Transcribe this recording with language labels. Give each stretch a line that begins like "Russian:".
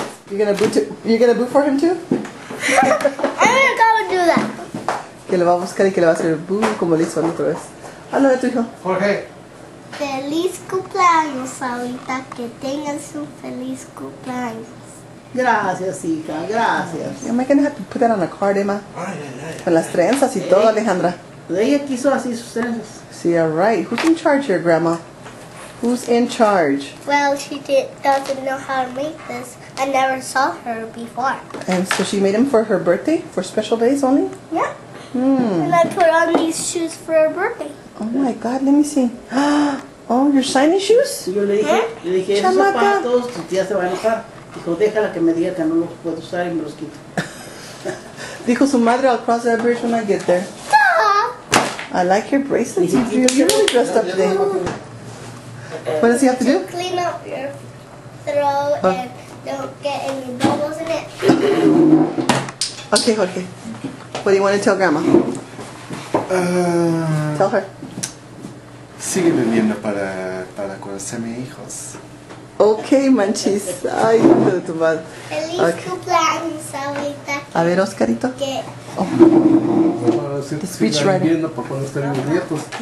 English: You're gonna boot for him too? I'm gonna go and do that.
Spanish: Que le va a buscar y que le va a hacer boo como le hizo la otra vez. Habla de tu hijo. Jorge. Feliz cumpleaños, ahorita que tengas un feliz cumpleaños. Gracias, hija, gracias.
English: Am I gonna have to put that on a card, Emma? Ay, ay, ay.
Spanish: Con las trenzas y todo, Alejandra. Ella quiso así sus trenzas.
English: Sí, all right. Who's in charge here, Grandma? Who's in charge? Well, she doesn't know how to make this. I never saw her before. And so she made them for her birthday? For special days only? Yeah. Hmm. And I put on these shoes for her birthday. Oh my God, let me see. Oh, your shiny shoes?
Spanish: Yo le dije, chamaca. Esos zapatos, tu tía se va a enojar. Dijo, déjala que me diga que no los puedo usar y me los quito. Dijo su madre,
English: I'll cross that bridge when I get there. I like your bracelets. You're really dressed up today. What does he have to do? Clean up your throat and don't get any bubbles in it. Okay, Jorge. What do you want to tell Grandma? Tell her.
Spanish: Sigue bebiendo para conocer a mis hijos. Okay, manchis. Ay, de tu madre. Feliz cumpleaños, ahorita. A ver, Oscarito. ¿Qué? Oh.
English: The speech writer.
Spanish: Sigue bebiendo para conocer a mis nietos.